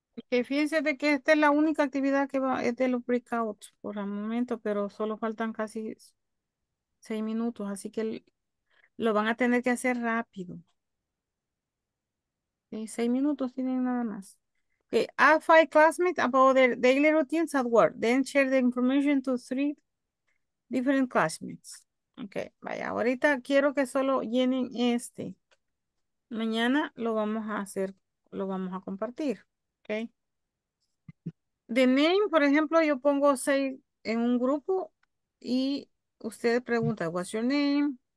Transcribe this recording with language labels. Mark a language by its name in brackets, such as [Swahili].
[Spanish] Fíjense de que esta es la única actividad que va, es de los breakouts por el momento, pero solo faltan casi 6 minutos, así que lo van a tener que hacer rápido. Sí, 6 minutos tienen nada más. [English] Okay, ask 5 classmates about their daily routines at work, then share the information to 3 different classmates. [Spanish] Ok, vaya, ahorita quiero que solo llenen este. Mañana lo vamos a hacer, lo vamos a compartir. Ok. The name, por ejemplo, yo pongo 6 en un grupo y usted pregunta, [English] what's your name?